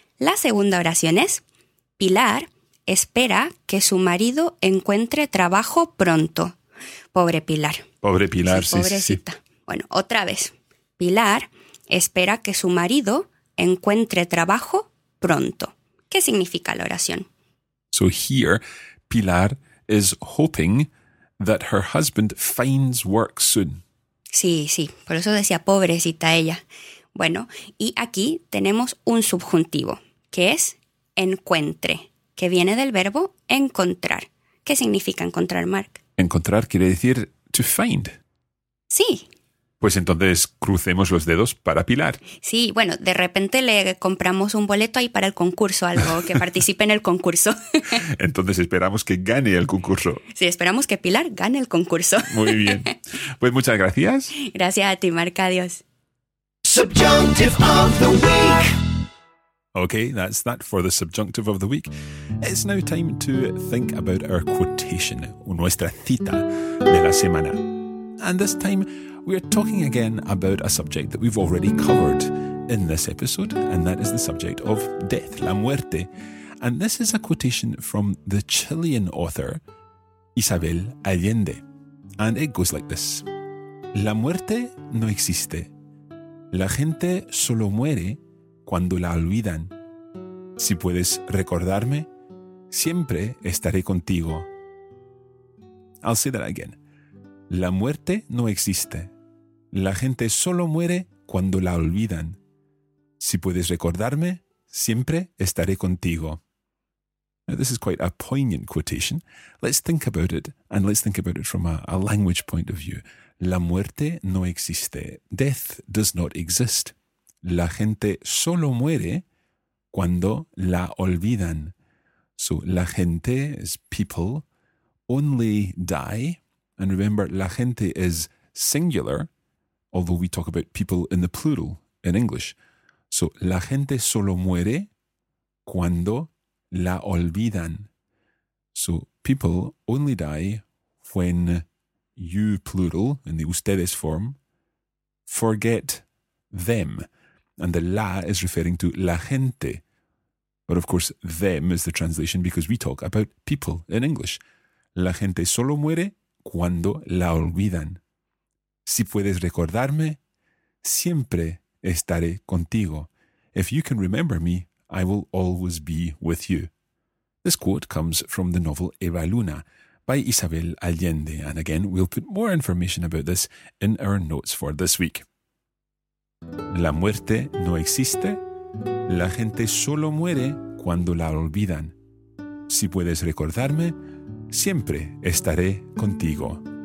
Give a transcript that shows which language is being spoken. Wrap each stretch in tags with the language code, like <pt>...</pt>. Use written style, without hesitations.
<es>La segunda oración es, Pilar espera que su marido encuentre trabajo pronto. Pobre Pilar. Pobre Pilar, sí, pobrecita. Sí, sí. Bueno, otra vez. Pilar espera que su marido encuentre trabajo pronto. ¿Qué significa la oración?</es> <en>So here, Pilar is hoping that her husband finds work soon.</en> <es>Sí, sí. Por eso decía pobrecita ella. Bueno, y aquí tenemos un subjuntivo, que es encuentre, que viene del verbo encontrar. ¿Qué significa encontrar, Mark? Encontrar quiere decir</es> <en>to find.</en> <es>Sí. Pues entonces crucemos los dedos para Pilar. Sí, bueno, de repente le compramos un boleto ahí para el concurso, algo que participe en el concurso. Entonces esperamos que gane el concurso. Sí, esperamos que Pilar gane el concurso. Muy bien. Pues muchas gracias. Gracias a ti, Marc. Adiós.</es> <en>Subjunctive of the Week. Okay, that's that for the Subjunctive of the Week. It's now time to think about our quotation,</en> <es>nuestra cita de la semana.</es> <en>And this time, we are talking again about a subject that we've already covered in this episode, and that is the subject of death,</en> <es>la muerte.</es> <en>And this is a quotation from the Chilean author Isabel Allende. And it goes like this.</en> <es>La muerte no existe. La gente solo muere cuando la olvidan. Si puedes recordarme, siempre estaré contigo.</es> <en>I'll say that again.</en> <es>La muerte no existe. La gente solo muere cuando la olvidan. Si puedes recordarme, siempre estaré contigo.</es> <en>Now, this is quite a poignant quotation. Let's think about it, and let's think about it from a language point of view.</en> <es>La muerte no existe.</es> <en>Death does not exist.</en> <es>La gente solo muere cuando la olvidan.</es> <en>So la gente is people, only die. And remember, la gente is singular, although we talk about people in the plural in English.</en> <es>So la gente solo muere cuando la olvidan.</es> <en>So people only die when you, plural, in the ustedes form, forget them. And the la is referring to la gente. But of course, them is the translation because we talk about people in English.</en> <es>La gente solo muere cuando la olvidan. Si puedes recordarme, siempre estaré contigo.</es> <en>If you can remember me, I will always be with you. This quote comes from the novel Eva Luna by Isabel Allende. And again, we'll put more information about this in our notes for this week.</en> <es>La muerte no existe. La gente solo muere cuando la olvidan. Si puedes recordarme, siempre estaré contigo.</es>